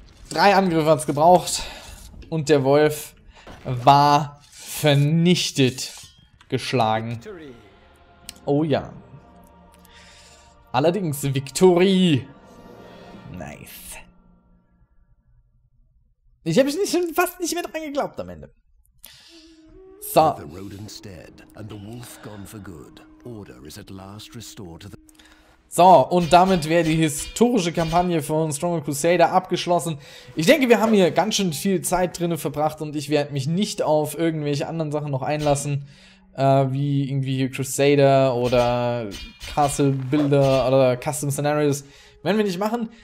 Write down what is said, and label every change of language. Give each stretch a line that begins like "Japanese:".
German: Drei Angriffe hat's gebraucht. Und der Wolf war vernichtet geschlagen. Oh ja. Allerdings, Victory. Nice. Ich habe schon fast nicht mehr dran geglaubt am Ende. So.
English: With the rodents dead and the wolf gone for good, order is at last restored to the...
German: So, und damit wäre die historische Kampagne von Stronghold Crusader abgeschlossen. Ich denke, wir haben hier ganz schön viel Zeit drinne verbracht und ich werde mich nicht auf irgendwelche anderen Sachen noch einlassen, wie irgendwie hier Crusader oder Castle Builder oder Custom Scenarios. Werden wir nicht machen.